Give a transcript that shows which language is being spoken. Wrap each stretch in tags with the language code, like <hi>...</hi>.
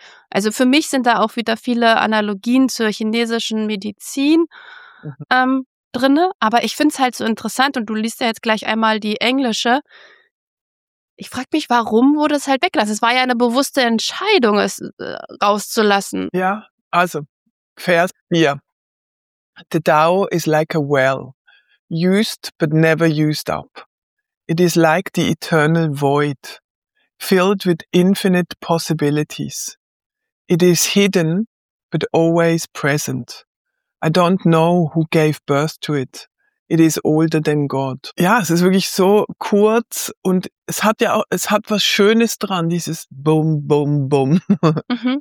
<de>Also für mich sind da auch wieder viele Analogien zur chinesischen Medizin drinne, aber ich finde es halt so interessant und du liest ja jetzt gleich einmal die englische. Ich frage mich, warum wurde es halt weggelassen? Es war ja eine bewusste Entscheidung, es rauszulassen. Ja, also, Vers 4.</de> <en>The Tao is like a well, used but never used up. It is like the eternal void, filled with infinite possibilities. It is hidden but always present. I don't know who gave birth to it. It is older than God.</en> <de>Ja, es ist wirklich so kurz und es hat ja auch, es hat was Schönes dran, dieses Bum, Bum, Bum. Mhm.</de>